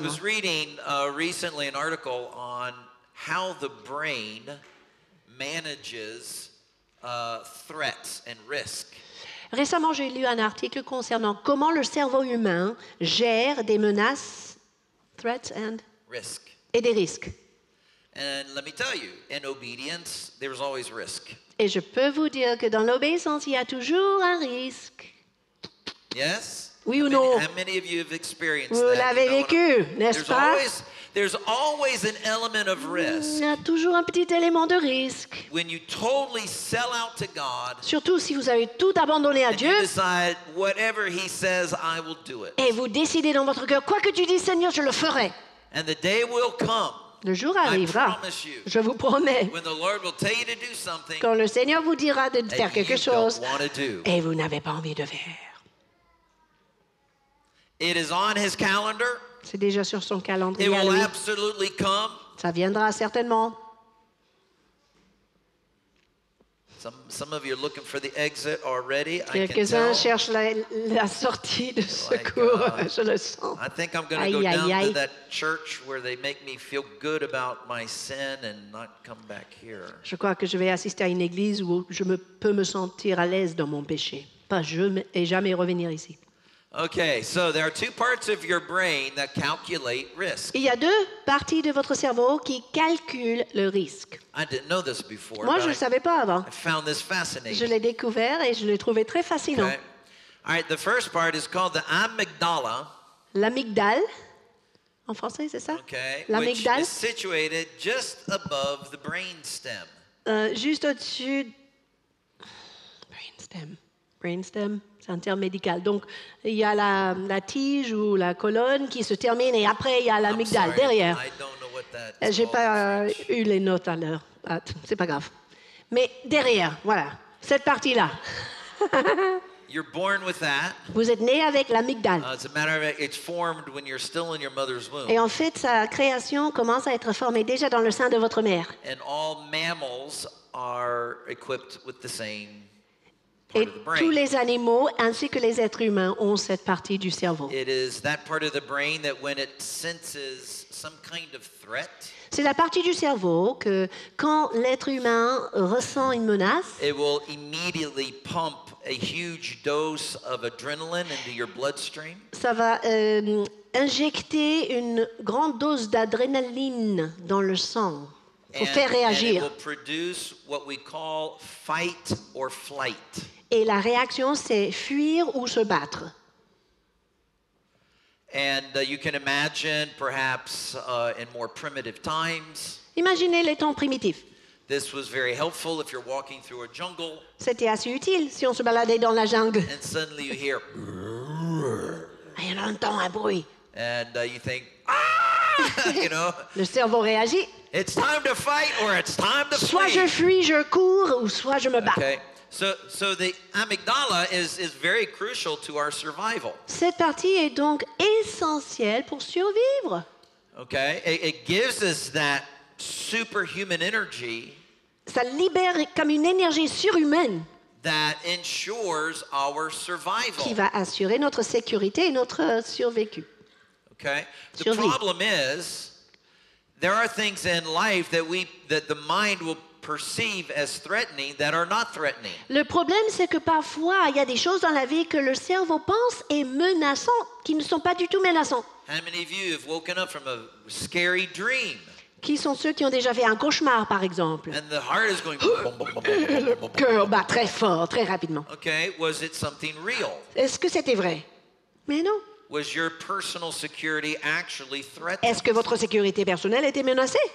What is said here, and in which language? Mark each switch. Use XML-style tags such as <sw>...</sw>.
<en>Because I was reading recently an article on how the brain manages threats and risk.</en> <fr>Récemment, j'ai lu un article concernant comment le cerveau humain gère des menaces,</fr> <en>threats and risk.</en> <fr>Et des risques.</fr> <en>And let me tell you, in obedience, there is always risk.</en> <fr>Et je peux vous dire que dans l'obéissance, il y a toujours un risque.</fr> <en>Yes?</en> <fr>Oui</fr> <en>how</en> <fr>ou non?</fr> <en>How many of you have experienced</en> <fr>vous</fr> <en>that?</en> <fr>L'avez</fr> <en>you</en> <fr>know, vécu, n'est-ce pas?</fr> <en>Always, there's always an element of risk.</en> <fr>Il y a toujours un petit élément de risque.</fr> <en>When you totally sell out to God,</en> <fr>surtout si vous avez tout abandonné à Dieu,</fr> <en>and you decide whatever He says, I will do it.</en> <fr>Et vous décidez dans votre cœur, quoi que tu dis, Seigneur, je le ferai.</fr> <en>And the day will come.</en> <fr>Le jour arrivera.</fr> <en>I promise you.</en> <fr>Je vous promets.</fr> <en>When the Lord will tell you to do something,</en> <fr>quand le Seigneur vous dira de faire quelque chose,</fr> <en>don't want to do.</en> <fr>Et vous n'avez pas envie de faire.</fr> <en>It is on His calendar.</en> <fr>C'est déjà sur son calendrier.</fr> <en>It will absolutely come.</en> <fr>Ça viendra certainement.</fr> <en>Some of you are looking for the exit already.</en> <fr>Quelques-uns cherchent la sortie de secours. Like, je le sens.</fr> <en>I think I'm going to go down to that church where they make me feel good about my sin and not come back here.</en> <fr>Je crois que je vais assister à une église où je peux me sentir à l'aise dans mon péché, pas je et jamais revenir ici.</fr> <en>Okay, so there are two parts of your brain that calculate risk.</en> <fr>Il y a deux parties de votre cerveau qui calculent le risque.</fr> <en>I didn't know this before.</en> <fr>Moi, je ne savais pas avant.</fr> <en>I found this fascinating.</en> <fr>Je l'ai découvert et je l'ai trouvé très fascinant.</fr> <en>Okay. All right, the first part is called the amygdala.</en> <fr>L'amygdale, en français, c'est ça?</fr> <en>Okay.</en> <fr>L'amygdale.</fr> <en>Which is situated just above the brainstem.</en> <fr>Juste au-dessus. Brainstem. Brainstem. C'est un terme médical. Donc, il y a la tige ou la colonne qui se termine et après, il y a l'amygdale derrière. Je n'ai pas eu les notes à l'heure. Ah, c'est pas grave. Mais derrière, voilà, cette partie-là.</fr> <en>You're born with that.</en> <fr>Vous êtes né avec l'amygdale.</fr> <en>As a matter of fact, it's formed when you're still in your mother's womb.</en> <fr>Et en fait, sa création commence à être formée déjà dans le sein de votre mère.</fr> <en>And all mammals are equipped with the same part</en> <fr>Et</fr> <en>of the brain.</en> <fr>Tous les animaux ainsi que les êtres humains ont cette partie du cerveau.</fr> <en>It is that part of the brain that when it senses some kind of threat.</en> <fr>C'est la partie du cerveau que quand l'être humain ressent une menace,</fr> <en>it will immediately pump a huge dose of adrenaline into your bloodstream.</en> <fr>Ça va injecter une grande dose d'adrénaline dans le sang pour faire réagir.</fr> <en>And it will produce what we call fight or flight.</en> <fr>Et la réaction, c'est fuir ou se battre.</fr> <en>And you can imagine, perhaps, in more primitive times.</en> <fr>Imaginez les temps primitifs.</fr> <en>This was very helpful if you're walking through a jungle.</en> <fr>C'était assez utile si on se baladait dans la jungle.</fr> <en>And suddenly you hear.</en> <fr>Et on entend un bruit.</fr> <en>And you think, ah! You know.</en> <fr>Le cerveau réagit.</fr> <en>It's time to fight or it's time to flee.</en> <fr>Soit je fuis, je cours, ou soit je me bats.</fr> <en>Okay. So the amygdala is very crucial to our survival.</en> <fr>Cette partie est donc essentielle pour survivre.</fr> <en>Okay, it gives us that superhuman energy.</en> <fr>Ça libère comme une énergie surhumaine.</fr> <en>That ensures our survival.</en> <fr>Qui va assurer notre sécurité et notre survécu.</fr> <en>Okay, the problem is there are things in life that the mind will perceive as threatening that are not threatening.</en> <fr>Le problème c'est que parfois il y a des choses dans la vie que le cerveau pense est menaçant qui ne sont pas du tout menaçants.</fr> <en>How many of you have woken up from a scary dream?</en> <fr>Qui sont ceux qui ont déjà fait un cauchemar par exemple?</fr> <en>And the heart is going</en> <fr>le cœur bat très fort, très rapidement.</fr> <en>Okay, was it something real?</en> <fr>Est-ce que c'était vrai? Mais non.</fr> <en>Was your personal security actually threatened?</en> <fr>Est-ce que votre sécurité personnelle était menacée?</fr>